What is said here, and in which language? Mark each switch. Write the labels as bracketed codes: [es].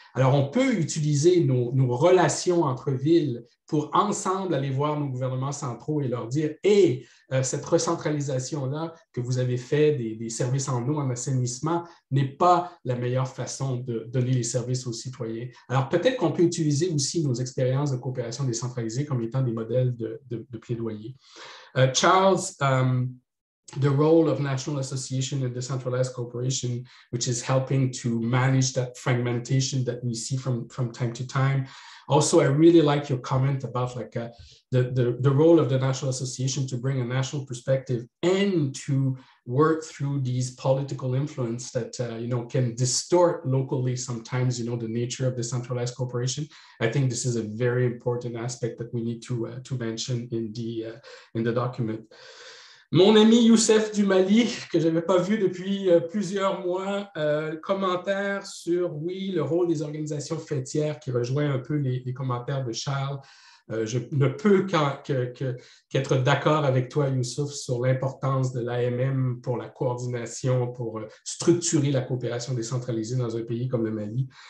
[fr] Alors, on peut utiliser nos relations entre villes pour ensemble aller voir nos gouvernements centraux et leur dire « Hey, cette recentralisation-là que vous avez fait des services en eau, en assainissement, n'est pas la meilleure façon de donner les services aux citoyens. » Alors, peut-être qu'on peut utiliser aussi nos expériences de coopération décentralisée comme étant des modèles de plaidoyer. [en] Charles, the role of national association and decentralized cooperation, which is helping to manage that fragmentation that we see from time to time. Also, I really like your comment about like the role of the national association to bring a national perspective and to work through these political influence that you know, can distort locally sometimes, you know, the nature of decentralized cooperation. I think this is a very important aspect that we need to mention in the document. [fr] Mon ami Youssef du Mali, que je n'avais pas vu depuis plusieurs mois, commentaire sur, oui, le rôle des organisations fêtières qui rejoint un peu les commentaires de Charles. Je ne peux qu'être d'accord avec toi, Youssef, sur l'importance de l'AMM pour la coordination, pour structurer la coopération décentralisée dans un pays comme le Mali.